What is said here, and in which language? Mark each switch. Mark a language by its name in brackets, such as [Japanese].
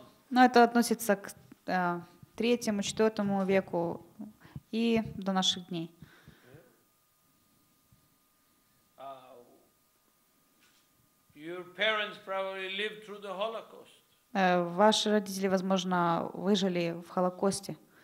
[Russian] Но это относится к третьему, четвертому веку и до наших дней. [English] Your parents probably lived through the Holocaust. [Russian] Ваши родители, возможно, выжили в Холокосте.